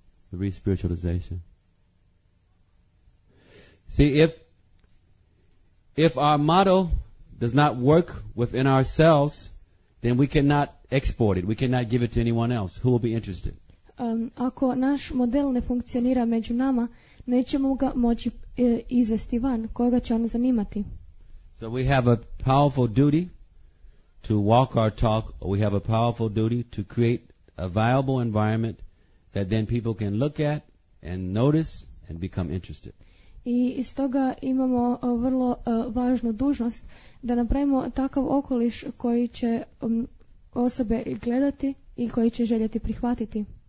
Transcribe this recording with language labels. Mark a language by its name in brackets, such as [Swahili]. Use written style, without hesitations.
[English] The re-spiritualization. See, if our motto does not work within ourselves, then we cannot export it. We cannot give it to anyone else. Who will be interested? [Croatian] Ako naš model ne funkcionira među nama, nećemo ga moći izvesti van. Koga će on zanimati? [English] So we have a powerful duty to walk our talk, or we have a powerful duty to create a viable environment that then people can look at and notice and become interested. [Croatian] I iz toga imamo vrlo važnu dužnost da napravimo takav okoliš koji će osobe gledati i koji će željeti prihvatiti.